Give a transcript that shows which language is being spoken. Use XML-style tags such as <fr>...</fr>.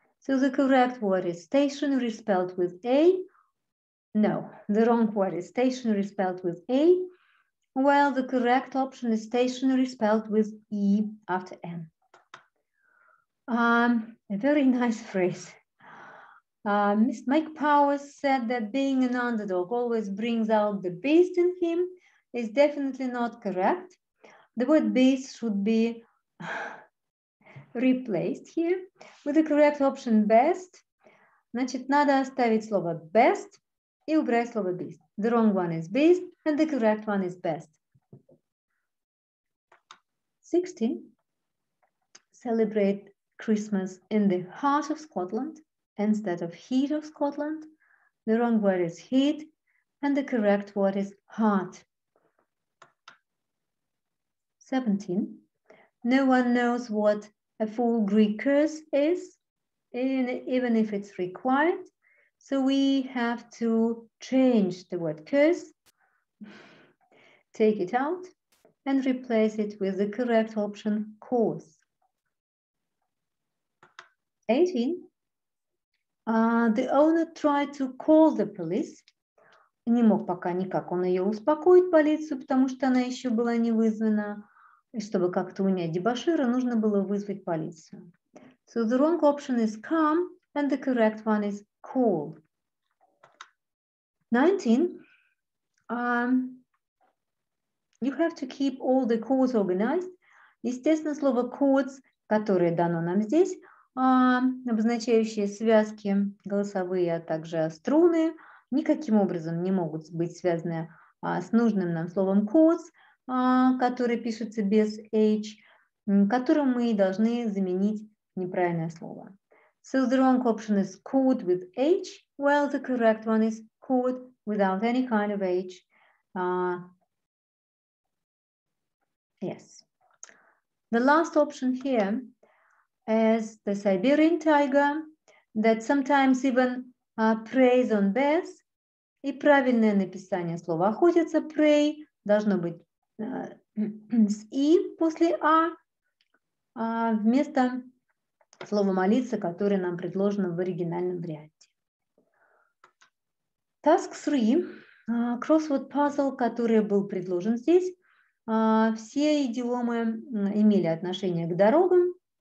<en>So the correct word is stationary spelled with A. No, the wrong word is stationary spelled with A. Well, the correct option is stationary spelled with E after N. A very nice phrase. Miss Mike Powers said that being an underdog always brings out the beast in him is definitely not correct. The word beast should be replaced here with the correct option best.</en> <ru>Значит, надо оставить слово best. И убрать слово beast.</ru> <en>The wrong one is beast and the correct one is best. 16. Celebrate Christmas in the heart of Scotland instead of heat of Scotland. The wrong word is heat and the correct word is heart. 17. No one knows what a full Greek curse is, even if it's required. So we have to change the word curse, take it out, and replace it with the correct option, cause. 18. The owner tried to call the police.</en> <ru>Не мог пока никак он ее успокоить, полицию, потому что она еще была не вызвана. И чтобы как-то унять дебошира, нужно было вызвать полицию.</ru> <en>So the wrong option is come, and the correct one is call. 19, you have to keep all the chords organized.</en> <ru>Естественно, слово chords, которое дано нам здесь, обозначающие связки голосовые, а также струны, никаким образом не могут быть связаны с нужным нам словом chords, которое пишется без H, которым мы должны заменить неправильное слово.</ru> <en>So the wrong option is chord with H. Well, the correct one is chord without any kind of H. Yes. The last option here is the Siberian tiger that sometimes even preys on bears.</en> <ru>И правильное написание слова охотиться, prey, должно быть с E после A, вместо слово молиться, которое нам предложено в оригинальном варианте.</ru> <en>Task 3, crossword puzzle,</en> <ru>который был предложен здесь, все идиомы имели отношение к дорогам.</ru>